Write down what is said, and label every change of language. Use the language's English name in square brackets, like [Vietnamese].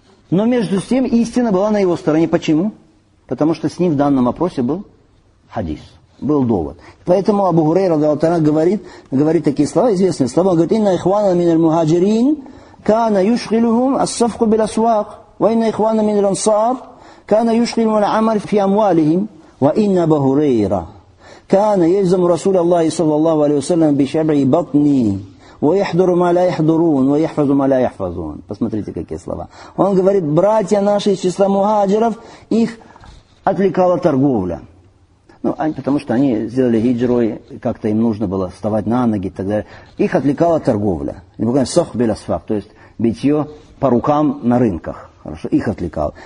[Russian] Но, между тем, истина была на его стороне. Почему? Потому что с ним в данном вопросе был хадис, был довод. Поэтому Абу Хурейра говорит такие слова, известные слова. Он говорит, [Arabic] «Инна ихвана мин аль-мухаджирин, кана юшхилюхум ас-сафку бил-асвак, ва инна ихвана мин аль-ансар». كان يشغل العمل في أموالهم وإن أبا هريرة كان يلزم رسول الله صلى الله عليه وسلم بشبع بطني ويحضر ما لا يحضرون ويحفظ ما لا يحفظون. [Russian] Посмотрите, какие слова. Он говорит, братья наши из числа мухаджиров, их отвлекала торговля. Ну, потому что они сделали хиджру, и как-то им нужно было вставать на ноги и так далее. Их отвлекала торговля. Не буквально [Arabic] сох бель асфак, [Russian] то есть битье по рукам на рынках. Хорошо, их отвлекало.